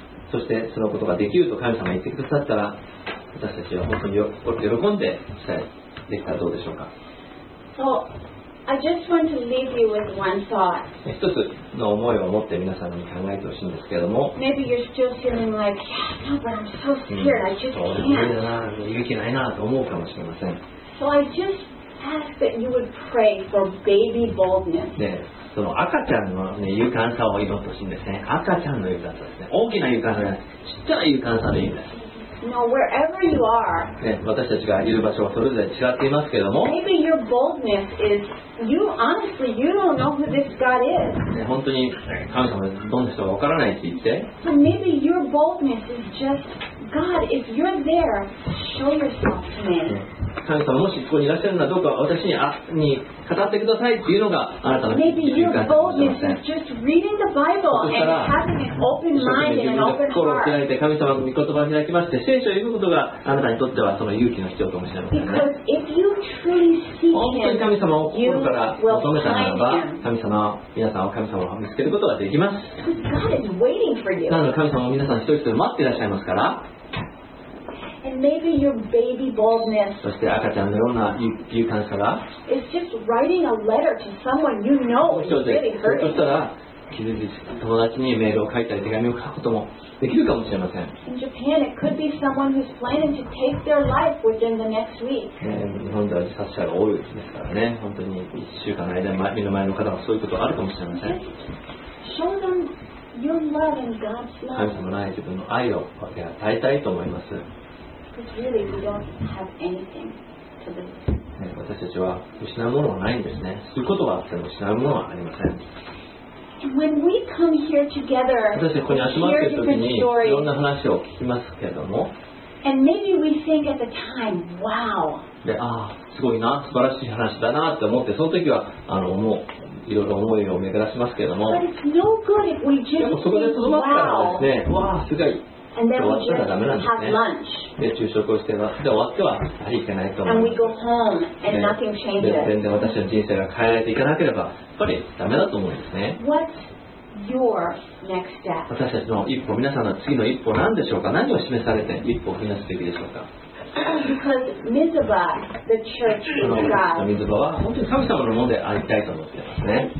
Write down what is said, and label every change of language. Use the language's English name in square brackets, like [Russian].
[Japanese] そしてそのことができると神様が言ってくださったら、私たちは本当に喜んでしたい。できたらどうでしょうか。 [English] So, I just want to leave you with one thought. [Japanese] 一つの思いを持って皆さんに考えてほしいんですけれども。 [English] Maybe you're still feeling like, yeah, no, but I'm so scared. I just can't. [Japanese] そうですね。勇気ないなと思うかもしれません。 [English] So I just. Ask that you would pray for baby boldness. [Japanese] ね、その赤ちゃんのね勇敢さを祈ってほしいんですね。赤ちゃんの勇敢さですね。大きな勇敢さじゃなくて、ちっちゃい勇敢さでいいんです。 [English] No, wherever you are. [Japanese] ね、私たちがいる場所はそれぞれ違っていますけれども。 [English] Maybe your boldness is you honestly you don't know who this God is. [Japanese] ね、本当に神様どんな人かわからないって言って。 [English] So maybe your boldness is just God. If you're there, show yourself to me. [Japanese] 神様もしここにいらっしゃるならどうか私 に語ってくださいっていうのがあなたの意味かもしれません。そしたら心を開いて神様の御言葉を開きまして聖書を読むことがあなたにとってはその勇気の必要かもしれませんね。本当に神様を心から求めたならば神様皆さんを神様を見つけることができます。なので神様を皆さん一人一人待っていらっしゃいますから。 [English] And maybe your baby baldness. [Japanese] そして赤ちゃんのような勇敢さが。 [English] It's just writing a letter to someone you know is really hurting. [Japanese] そしたら傷ついた友達にメールを書いたり手紙を書くこともできるかもしれません。 [English] In Japan, it could be someone who's planning to take their life within the next week. [Japanese] 日本では自殺者が多いですからね。本当に一週間の間に目の前の方はそういうことがあるかもしれません。 [English] Show them your love and God's love. [Japanese] 神様の愛、自分の愛を分け与えたいと思います。 [English] Really, we don't have anything to lose. [Japanese] 私たちは失うものはないんですね。することはあっても失うものはありません。 [English] When we come here together, [Japanese] 私たちここに集まっている時にいろんな話を聞きますけれども、 [English] And maybe we think at the time, wow. [Japanese] で、ああすごいな、素晴らしい話だなって思って、その時はもういろいろ思いを巡らしますけれども、 [English] But it's no good if we just think, wow. [Japanese] でもそこで止まったらですね、わあすごい、で昼食をしてで終わってはやはりいけないと思う。全然私の人生が変えられていかなければやっぱりダメだと思うんですね。私たちの一歩、皆さんの次の一歩何でしょうか。何を示されて一歩を踏み出すべきでしょうか。 [English] Because Mizuba, the church of God, is every single person.